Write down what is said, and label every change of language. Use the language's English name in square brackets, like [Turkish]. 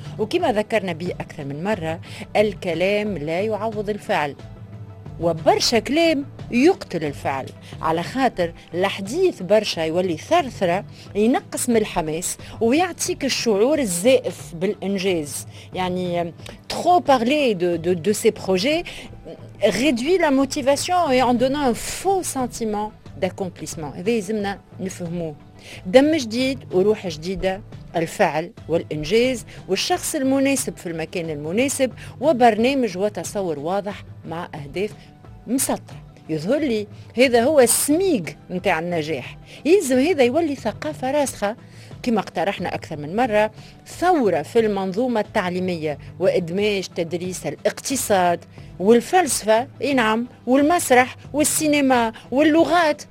[Arabic] وكما ذكرنا به أكثر من مرة، الكلام لا يعوض الفعل، وبرشا كلام يقتل الفعل، على خاطر الحديث برشا يولي ثرثرة، ينقص من الحماس ويعطيك الشعور الزائف بالإنجاز. [French] يعني trop parler de ces projets réduit la motivation et en donnant un faux sentiment d'accomplissement. [Arabic] هذا يزمنا نفهموه. دم جديد وروح جديدة، الفعل والإنجاز والشخص المناسب في المكان المناسب، وبرنامج وتصور واضح مع أهداف مسطرة. يظهر لي هذا هو السميق نتاع النجاح. يلزم هذا يولي ثقافة راسخة، كما اقترحنا أكثر من مرة، ثورة في المنظومة التعليمية وإدماج تدريس الاقتصاد والفلسفة، نعم، والمسرح والسينما واللغات.